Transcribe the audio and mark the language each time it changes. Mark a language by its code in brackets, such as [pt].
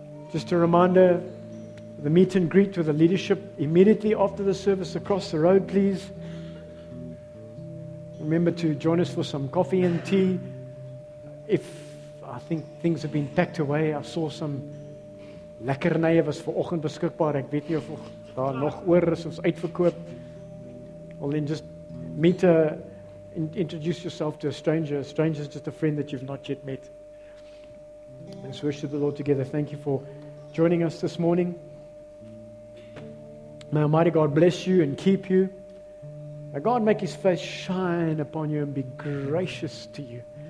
[en] Just a reminder, the meet and greet with the leadership immediately after the service across the road, please. Remember to join us for some coffee and tea. If I think things have been packed away, I saw some [af] lekkernye was vir oggend beskikbaar. Ek weet nie of daar nog oor is, ons uitverkoop. [en] Well then just meet introduce yourself to a stranger. A stranger is just a friend that you've not yet met. Let's worship the Lord together. Thank you for joining us this morning. May Almighty God bless you and keep you. May God make His face shine upon you and be gracious to you.